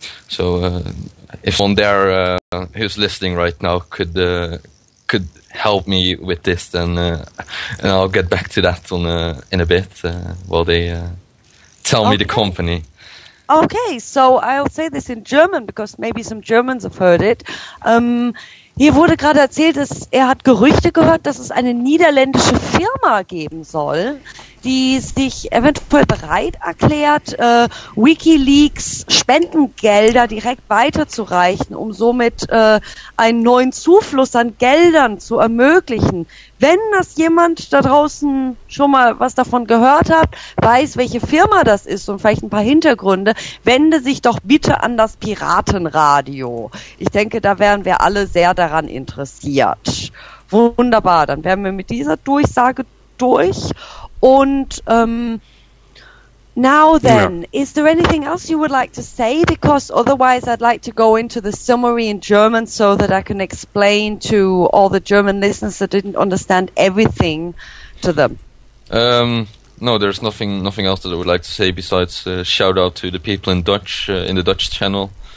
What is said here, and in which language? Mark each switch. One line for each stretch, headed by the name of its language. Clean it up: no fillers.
English: If someone there who's listening right now could help me with this, then and I'll get back to that on in a bit while they tell me the company. Okay, so I'll say this in German, because maybe some Germans have heard it.
German: Hier wurde gerade erzählt, dass er hat Gerüchte gehört, dass es eine niederländische Firma geben soll, die sich eventuell bereit erklärt, WikiLeaks Spendengelder direkt weiterzureichen, um somit einen neuen Zufluss an Geldern zu ermöglichen. Wenn das jemand da draußen schon mal was davon gehört hat, weiß, welche Firma das ist und vielleicht ein paar Hintergründe, wende sich doch bitte an das Piratenradio. Ich denke, da wären wir alle sehr daran interessiert. Wunderbar, dann wären wir mit dieser Durchsage durch.
English: And now then, is there anything else you would like to say? Because otherwise I'd like to go into the summary in German so that I can explain to all the German listeners that didn't understand everything to them. No, there's nothing else that I would like to say besides shout out to the people in Dutch, in the Dutch channel.